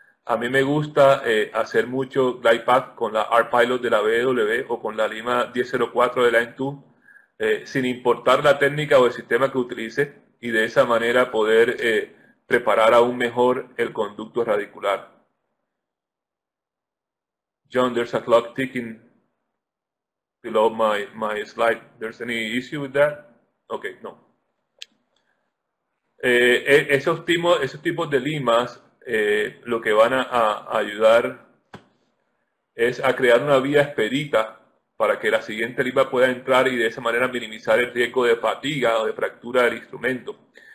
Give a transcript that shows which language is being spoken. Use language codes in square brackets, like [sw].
[es] A mí me gusta hacer mucho glide path con la R-Pilot de la BW o con la Lima 1004 de la N2, sin importar la técnica o el sistema que utilice, y de esa manera poder preparar aún mejor el conducto radicular. [en] John, there's a clock ticking below my slide. There's any issue with that? Okay, no. [es] Esos tipos de limas lo que van a ayudar es a crear una vía expedita para que la siguiente lima pueda entrar y de esa manera minimizar el riesgo de fatiga o de fractura del instrumento.